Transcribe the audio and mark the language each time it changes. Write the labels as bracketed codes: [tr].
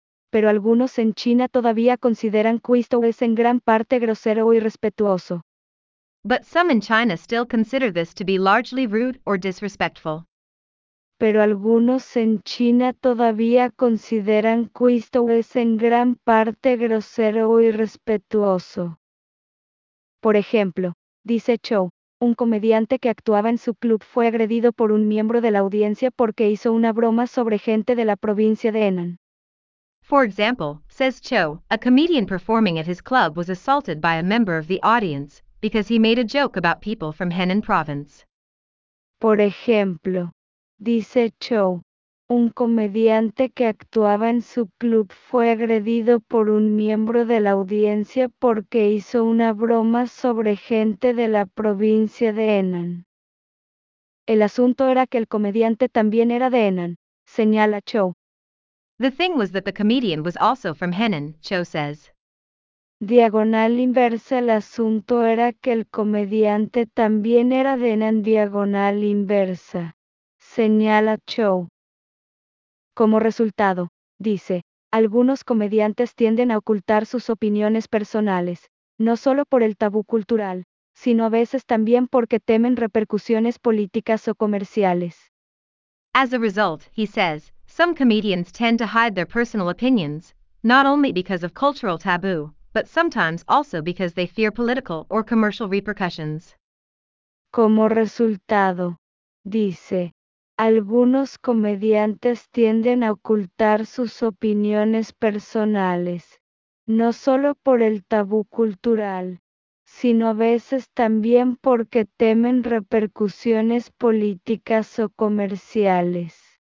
[es] Pero algunos en China todavía consideran Quisto es en gran parte grosero o irrespetuoso. [en] But some in China still consider this to be largely rude or disrespectful. [es] Pero algunos en China todavía consideran Quisto es en gran parte grosero o irrespetuoso. Por ejemplo, dice Chow, un comediante que actuaba en su club fue agredido por un miembro de la audiencia porque hizo una broma sobre gente de la provincia de Henan. [en] For example, says Cho, a comedian performing at his club was assaulted by a member of the audience, because he made a joke about people from Henan province. [es] Por ejemplo, dice Chou, un comediante que actuaba en su club fue agredido por un miembro de la audiencia porque hizo una broma sobre gente de la provincia de Henan. El asunto era que el comediante también era de Henan, señala Chou. [en] The thing was that the comedian was also from Henan, Chou says. [es] Diagonal inversa, el asunto era que el comediante también era de Henan, diagonal inversa, señala Chou. Como resultado, dice, algunos comediantes tienden a ocultar sus opiniones personales, no solo por el tabú cultural, sino a veces también porque temen repercusiones políticas o comerciales. [en] As a result, he says, some comedians tend to hide their personal opinions, not only because of cultural taboo, but sometimes also because they fear political or commercial repercussions. [es] Como resultado, dice, algunos comediantes tienden a ocultar sus opiniones personales, no solo por el tabú cultural, sino a veces también porque temen repercusiones políticas o comerciales.